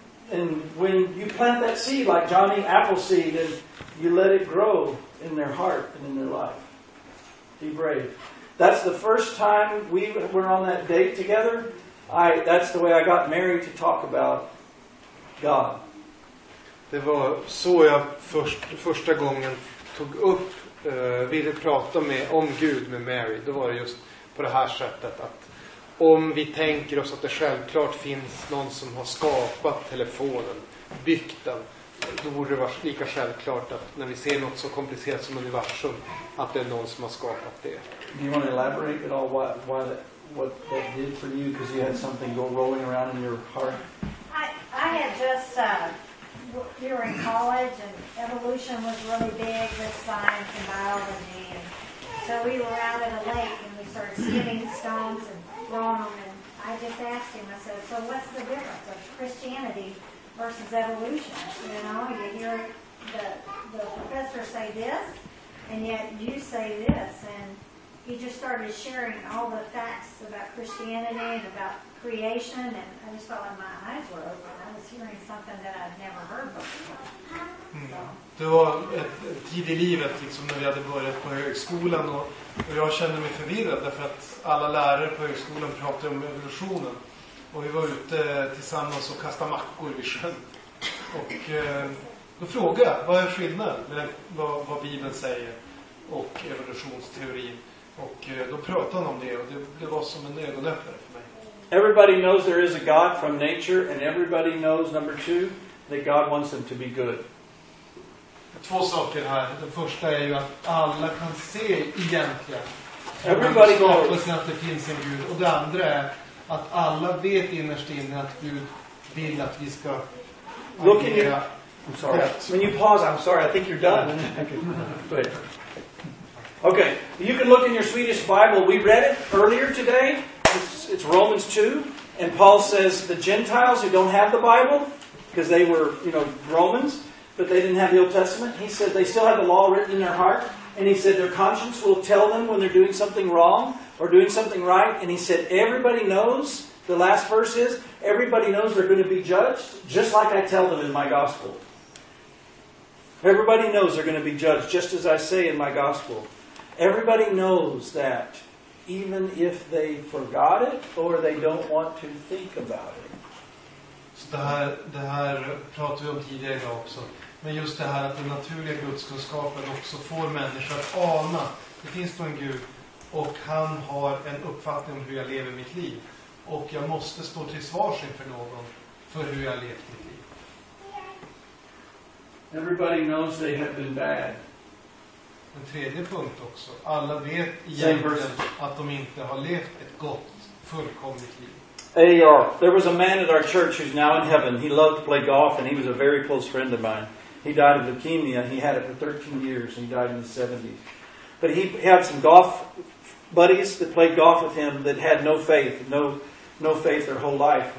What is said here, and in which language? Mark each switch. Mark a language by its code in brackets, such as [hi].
[en] And when you plant that seed, like Johnny Appleseed, and you let it grow in their heart and in their life. Be brave. That's the first time we were on that date together. That's the way I got Mary to talk about God. [sv] Det var så jag första gången tog upp, ville prata om Gud med Mary. Då var det just på det här sättet att om vi tänker oss att det självklart finns någon som har skapat telefonen, byggt den, då vore det lika självklart att när vi ser något så komplicerat som universum, att det är någon som har skapat det. [en] Do you want to elaborate at all what that did for you, because you had something go rolling around in your heart? I had just we were in college and evolution was really big with science and biology, and so we were out at a lake and we started skimming stones and throwing them, and I just asked him, I said, so what's the difference of Christianity versus evolution? You know, you hear the professor say this and yet you say this, and he just started sharing all the facts about Christianity and about creation, and I just felt like my eyes were open. I was was hearing something that I'd never heard before. [sv] Det var en tid i livet liksom, när vi hade börjat på högskolan och jag kände mig förvirrad därför att alla lärare på högskolan pratade om evolutionen och vi var ute tillsammans och kastade mackor i sjön. Och då frågade jag, vad är skillnaden mellan vad Bibeln säger och evolutionsteorin? Och då pratade han om det och det var som en ögonöppnare för mig. [en] Everybody knows there is a God from nature and everybody knows, number two, that God wants them to be good. [sv] Två saker här. Det första är ju att alla kan se egentligen. [en] Everybody knows [sv] att det finns en Gud. Och det andra är att alla vet innerst inne att Gud vill att vi ska [en] look in your, I'm sorry. When you pause, I'm sorry. I think you're done. Okay. You can look in your Swedish Bible. We read it earlier today. It's Romans 2. And Paul says the Gentiles who don't have the Bible, because they were, you know, Romans, but they didn't have the Old Testament. He said they still had the law written in their heart. And he said their conscience will tell them when they're doing something wrong or doing something right. And he said everybody knows, the last verse is, everybody knows they're going to be judged, just like I tell them in my gospel. Everybody knows they're going to be judged, just as I say in my gospel. Everybody knows that even if they forgot it or they don't want to think about it. [sv] Så det här pratade vi om tidigare idag också. Men just det här att den naturliga gudskunskapen också får människor att ana. Det finns då en Gud och han har en uppfattning om hur jag lever mitt liv. Och jag måste stå till svars inför någon för hur jag levt mitt liv. [en] Everybody knows they have been bad. [sv] En tredje punkt också. Alla vet egentligen att de inte har levt ett gott, fullkomligt liv. A.R. [en] There was a man at our church who's now in heaven. He loved to play golf and he was a very close friend of mine. He died of leukemia. He had it for 13 years and he died in the 70s. But he had some golf buddies that played golf with him that had no faith their whole life.